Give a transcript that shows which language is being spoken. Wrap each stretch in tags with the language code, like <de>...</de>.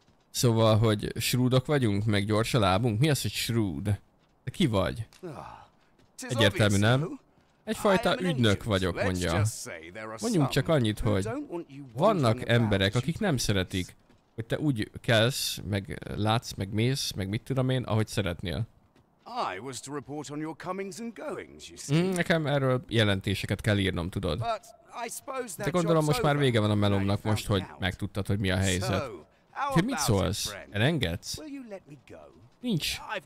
<hu>Szóval, hogy shrewdok vagyunk, meg gyors a lábunk? Mi az, hogy shrewd? De ki vagy? Egyértelmű, nem? Egyfajta ügynök vagyok, mondja. Mondjunk csak annyit, hogy... Vannak emberek, akik nem szeretik, hogy te úgy kelsz, meg látsz, meg mész, meg mit tudom én, ahogy szeretnél.</hu> <en>I was to report on your comings and goings, you see.</en> <hu>Nekem erről jelentéseket kell írnom, tudod. De gondolom, most már vége van a melomnak, most, hogy megtudtad, hogy mi a helyzet. Te mit szólsz? Elengedsz? Nincs.</hu>